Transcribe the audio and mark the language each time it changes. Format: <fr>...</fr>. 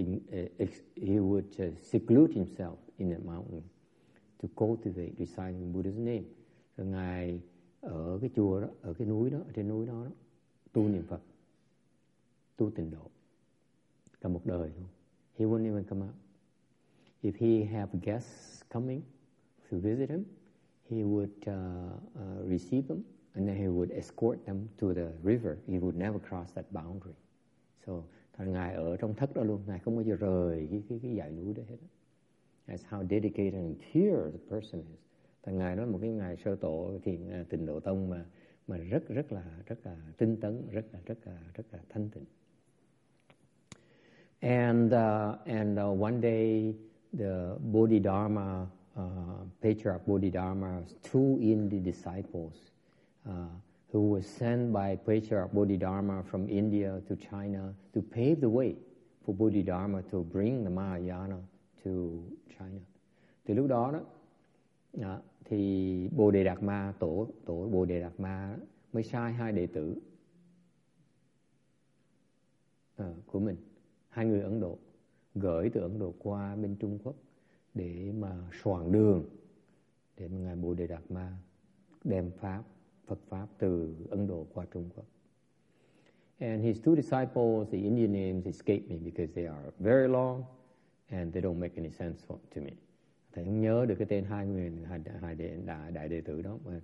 <en>He would seclude himself in that mountain to cultivate reciting Buddha's name.</en> <vi>Rồi ngài ở cái chùa đó, ở cái núi đó, ở trên núi đó, đó tu niệm Phật, tu tịnh độ cả một đời luôn.</vi> <en>He wouldn't even come out. If he have guests coming to visit him, he would receive them and then he would escort them to the river. He would never cross that boundary.</en> <vi>So ngài ở trong thất đó luôn, ngài không bao giờ rời cái dãy núi đó hết.</vi> <en>That's how dedicated and pure the person is.</en> <vi>Thằng ngài đó là một cái ngài sơ tổ thiền Tịnh Độ Tông mà rất là tinh tấn, rất là thanh tịnh.</vi> <en>And one day the Bodhidharma patriarch Bodhidharma's two Indian disciples who were sent by patriarch Bodhidharma from India to China to pave the way for Bodhidharma to bring the Mahayana to China.</en> <vi>Từ lúc đó đó, thì Bồ Đề Đạt Ma, tổ Bồ Đề Đạt Ma mới sai hai đệ tử của mình, hai người Ấn Độ, gửi từ Ấn Độ qua bên Trung Quốc để mà soạn đường để mà ngài Bồ Đề Đạt Ma đem pháp Phật pháp từ Ấn Độ qua Trung Quốc.</vi> <en>And his two disciples, the Indian names escape me because they are very long. And they don't make any sense to me.</en> <vi>Thầy không nhớ được cái tên hai người đại đệ tử đó.</vi>